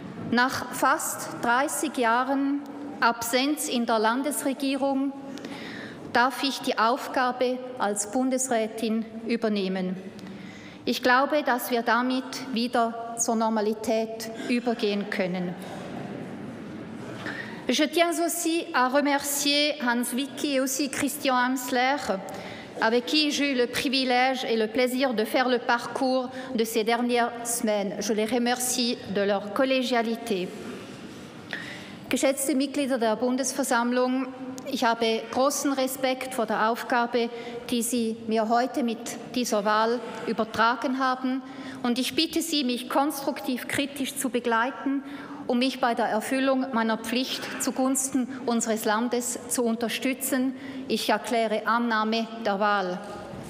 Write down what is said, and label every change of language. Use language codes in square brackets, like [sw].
[de] Nach fast 30 Jahren Absenz in der Landesregierung darf ich die Aufgabe als Bundesrätin übernehmen. Ich glaube, dass wir damit wieder zur Normalität übergehen können. [fr] Je tiens aussi à remercier Hans Wicki et aussi Christian Amsler, avec qui j'ai eu le privilège et le plaisir de faire le parcours de ces dernières semaines. Je les remercie de leur collégialité. [de] Geschätzte Mitglieder der Bundesversammlung, ich habe großen Respekt vor der Aufgabe, die Sie mir heute mit dieser Wahl übertragen haben. Und ich bitte Sie, mich konstruktiv kritisch zu begleiten, um mich bei der Erfüllung meiner Pflicht zugunsten unseres Landes zu unterstützen. Ich erkläre Annahme der Wahl.